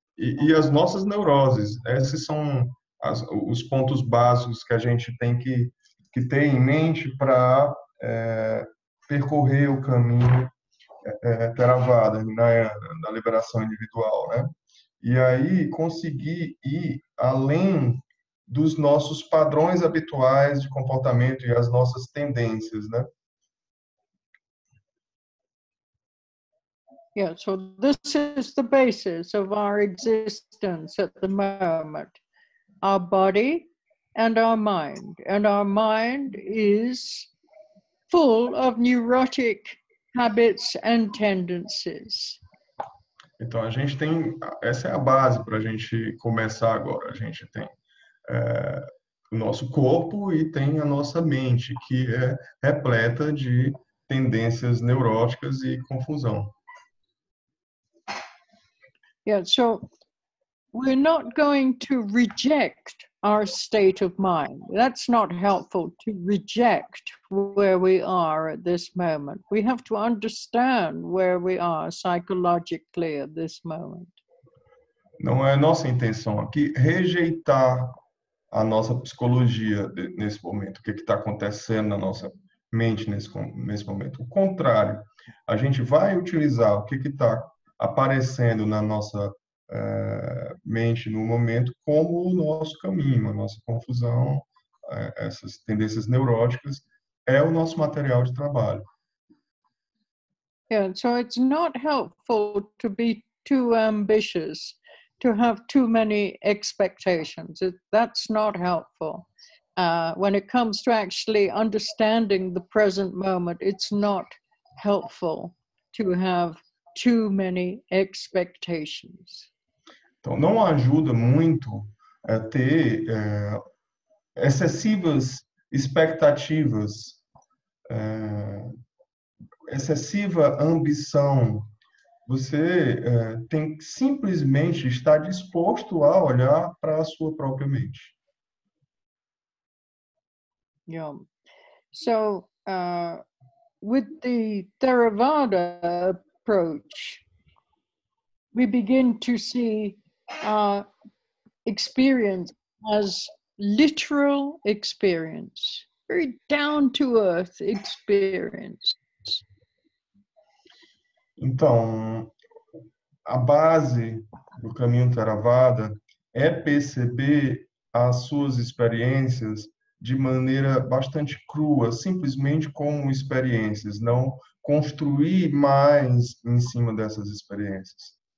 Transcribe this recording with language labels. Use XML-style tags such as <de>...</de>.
<pt>E as nossas neuroses. Esses são os pontos básicos que a gente tem que ter em mente para percorrer o caminho Teravada, Hinayana, da liberação individual, né? E aí conseguir ir além dos nossos padrões habituais de comportamento e as nossas tendências, né?</pt> <en>Yeah, so this is the basis of our existence at the moment. Our body and our mind. And our mind is full of neurotic habits and tendencies.</en> <pt>Então a gente tem, essa é a base para a gente começar agora. A gente tem o nosso corpo e tem a nossa mente, que é repleta de tendências neuróticas e confusão.</pt> <en>Yeah, so we're not going to reject our state of mind. That's not helpful to reject where we are at this moment. We have to understand where we are psychologically at this moment.</en> <pt>Não é nossa intenção aqui rejeitar a nossa psicologia nesse momento. O que está acontecendo na nossa mente nesse momento. O contrário, a gente vai utilizar o que está aparecendo na nossa mente no momento como o nosso caminho, a nossa confusão, essas tendências neuróticas, é o nosso material de trabalho.</pt> <en>Yeah, so it's not helpful to be too ambitious, to have too many expectations. That's not helpful. When it comes to actually understanding the present moment, it's not helpful to have too many expectations.</en> <pt>Então, não ajuda muito ter excessivas expectativas, excessiva ambição. Você tem que simplesmente estar disposto a olhar para a sua própria mente. Yeah.</pt> <en>So, with the Theravada approach, we begin to see our experience as literal experience, very down to earth experience.</en> <pt>Então, a base do caminho Theravada é perceber as suas experiências de maneira bastante crua, simplesmente como experiências, não construir mais em cima dessas experiências.</pt>